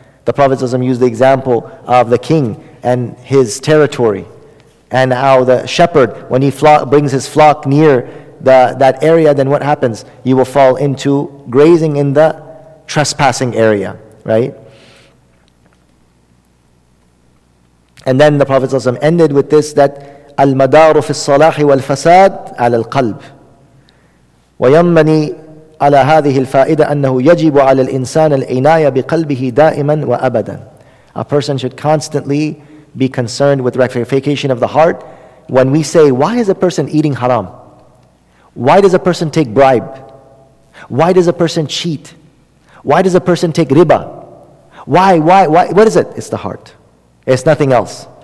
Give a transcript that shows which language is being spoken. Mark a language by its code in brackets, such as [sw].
[en] The Prophet ﷺ used the example of the king and his territory, and how the shepherd, when he brings his flock near that area, then what happens? You will fall into grazing in the trespassing area, right? And then the Prophet ﷺ ended with this, that [ar] المدار في الصلاح والفساد على القلب وينبني على هذه الفائدة أنه يجب على الإنسان العناية بقلبه دائما وأبدا. [en] A person should constantly be concerned with rectification of the heart. When we say, why is a person eating haram? Why does a person take bribe? Why does a person cheat? Why does a person take riba? Why? What is it? It's the heart. It's nothing else.